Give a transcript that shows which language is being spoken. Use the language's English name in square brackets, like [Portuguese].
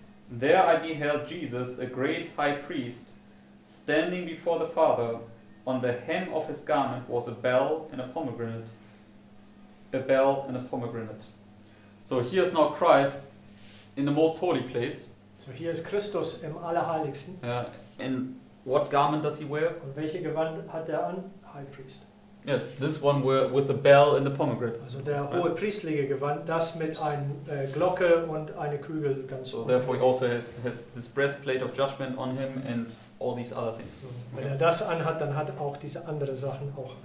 [English] There I beheld Jesus, a great high priest, standing before the Father. On the hem of his garment was a bell and a pomegranate. A bell and a pomegranate. So here is now Christ in the most holy place. So here is [German] Christus im Allerheiligsten. [English] And what garment does he wear? [German] Und welche Gewand hat er an, High Priest? [English] Yes, this one with a bell and the pomegranate. [German] Also der hohe priesterliche Gewand, das mit einer Glocke und einer Kugel ganz so. [English] Therefore he also has this breastplate of judgment on him and all these other things. [German] So, wenn okay. er das anhat, dann hat auch diese andere Sachen auch.